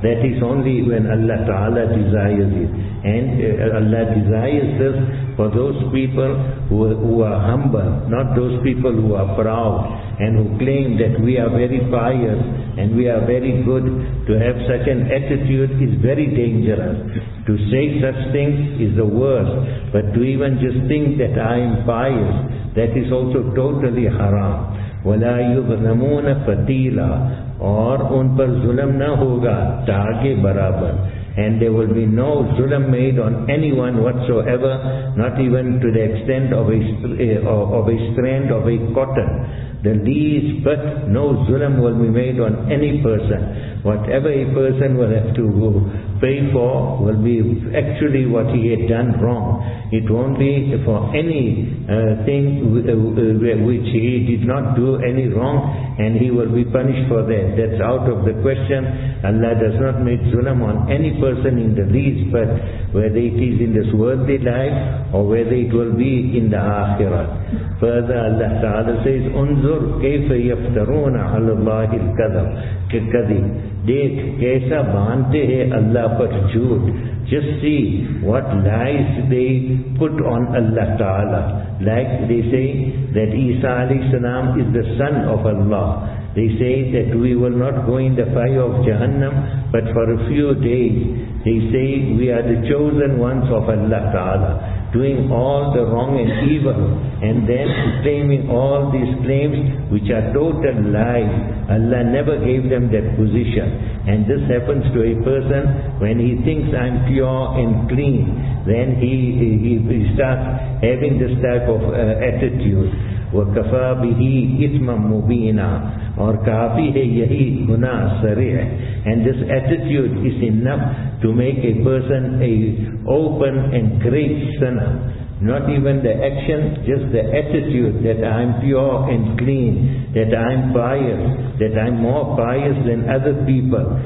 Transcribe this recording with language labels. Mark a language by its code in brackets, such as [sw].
[en] That is only when Allah Ta'ala desires it. And Allah desires this for those people who are humble, not those people who are proud and who claim that we are very pious and we are very good. To have such an attitude is very dangerous. To say such things is the worst. But to even just think that I am pious, that is also totally haram. [ar] وَلَا يُظْلَمُونَ فَتِيلًا. [ur] اور ان پر ظلم نہ ہوگا تاگے برابر. [en] And there will be no zulm made on anyone whatsoever, not even to the extent of a strand of a cotton. The least bit, no zulm will be made on any person. Whatever a person will have to pay for will be actually what he had done wrong. It won't be for any thing which he did not do any wrong, and he will be punished for that. That's out of the question. Allah does not make zulm on any person in the least, but whether it is in this worldly life or whether it will be in the akhirah. Further, Allah Ta'ala says, [ar] انظر كيف يفترون على الله الكذب. [ur] دیکھ کیسا باندھتے ہیں اللہ پر جھوٹ. [en] Just see what lies they put on Allah Ta'ala. Like they say that Isa alayhi salam is the son of Allah. They say that we will not go in the fire of Jahannam but for a few days. They say we are the chosen ones of Allah Ta'ala. doing all the wrong and evil, and then claiming all these claims which are total lies. Allah never gave them that position. And this happens to a person when he thinks I'm pure and clean. Then he starts having this type of attitude. [ar] وَكَفَى بِهِ إِثْمًا مُبِينًا [ur] اور کافی ہے یہی گناہ صریح. [en] And this attitude is enough to make a person a open and great sinner. Not even the action, just the attitude that I'm pure and clean, that I'm pious, that I'm more pious than other people.